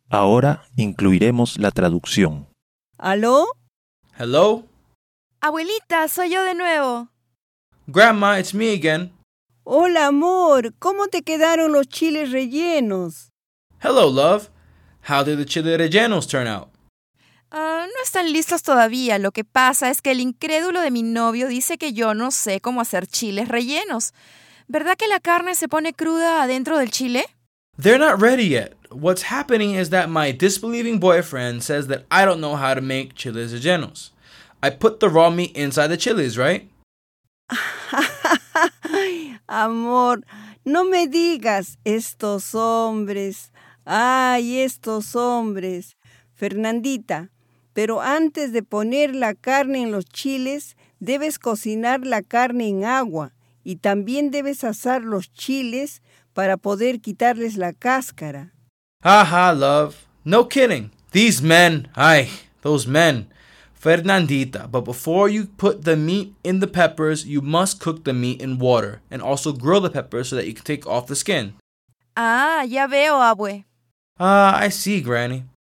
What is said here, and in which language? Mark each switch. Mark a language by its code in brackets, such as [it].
[es] Ahora incluiremos la traducción. ¿Aló? [en] Hello. [es] Abuelita, soy yo de nuevo. [en] Grandma, it's me again. [es] Hola, amor. ¿Cómo te quedaron los chiles rellenos? [en] Hello, love. How did the chiles rellenos turn out? [es] No están listos todavía. Lo que pasa es que el incrédulo de mi novio dice que yo no sé cómo hacer chiles rellenos. ¿Verdad que la carne se pone cruda adentro del chile? [en] They're not ready yet. What's happening is that my disbelieving boyfriend says that I don't know how to make chiles rellenos. I put the raw meat inside the chiles, right? [es] Amor, no me digas estos hombres. Ay, estos hombres. Fernandita, pero antes de poner la carne en los chiles, debes cocinar la carne en agua y también debes asar los chiles para poder quitarles la cáscara. [en] Ajá, love. No kidding. These men, ay, those men. Fernandita, but before you put the meat in the peppers, you must cook the meat in water and also grill the peppers so that you can take off the skin. [es] Ah, ya veo, abue. [en] Ah, I see, Granny.